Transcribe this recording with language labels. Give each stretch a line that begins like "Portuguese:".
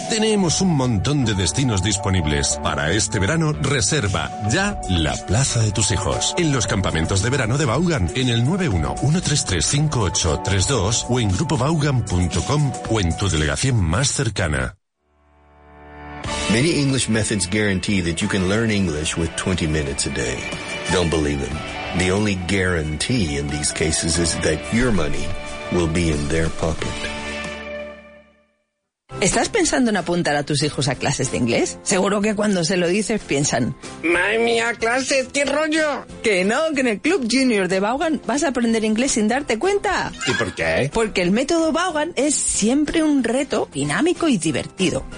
Spanish: Tenemos un montón de destinos disponibles. Para este verano, reserva ya la plaza de tus hijos en los campamentos de verano de Vaughan en el 91-133-5832 o en grupovaughan.com o en tu delegación más cercana.
English: Many English methods guarantee that you can learn English with 20 minutes a day. Don't believe them. The only guarantee in these cases is that your money will be in their pocket.
Spanish: ¿Estás pensando en apuntar a tus hijos a clases de inglés? Seguro que cuando se lo dices piensan, ¡madre mía, clases, qué rollo! Que no, que en el Club Junior de Vaughan vas a aprender inglés sin darte cuenta. ¿Y por qué? Porque el método Vaughan es siempre un reto dinámico y divertido.